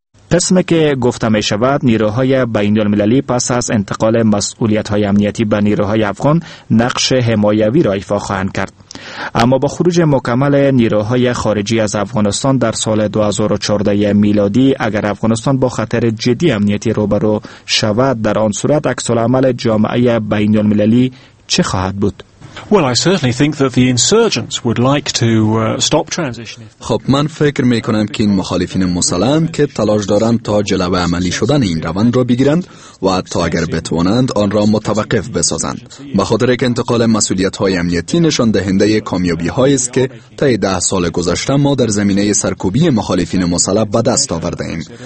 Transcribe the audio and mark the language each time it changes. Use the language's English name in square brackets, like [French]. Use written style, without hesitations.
[Persian] قسمی که گفته می شود نیروهای بین المللی پس از انتقال مسئولیت های امنیتی به نیروهای افغان نقش حمایوی را ایفا خواهند کرد. اما با خروج مکمل نیروهای خارجی از افغانستان در سال 2014 میلادی، اگر افغانستان با خطر جدی امنیتی روبرو شود، در آن صورت عکس العمل جامعه بین المللی چه خواهد بود؟ [English] Well, I certainly think that the insurgents would like to stop transition. [Persian] خب، من فکر میکنم که این مخالفین مسلم که تلاش دارند تا جلوه عملی شدن این روند را بگیرند و تا اگر بتوانند آن را متوقف بسازند. به خاطر اینکه انتقال مسئولیت های امنیتی نشان دهنده کامیابی هایی است که طی 10 سال گذشته ما در زمینه سرکوبی مخالفین مسلم به دست آورده ایم.